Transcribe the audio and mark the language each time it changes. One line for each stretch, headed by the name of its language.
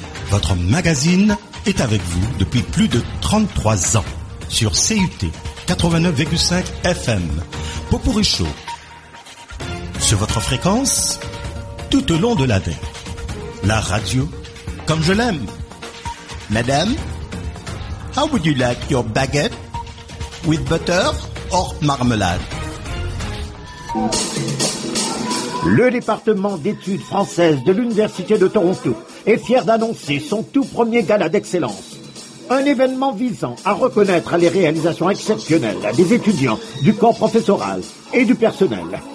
French: Votre magazine est avec vous depuis plus de 33 ans. Sur CUT 89,5 FM, Popourri Show, sur votre fréquence, tout au long de l'année, la radio, comme je l'aime.
English: Madame, how would you like your baguette, with butter or marmalade?
French: Le département d'études françaises de l'Université de Toronto est fier d'annoncer son tout premier gala d'excellence. Un événement visant à reconnaître les réalisations exceptionnelles des étudiants, du corps professoral et du personnel.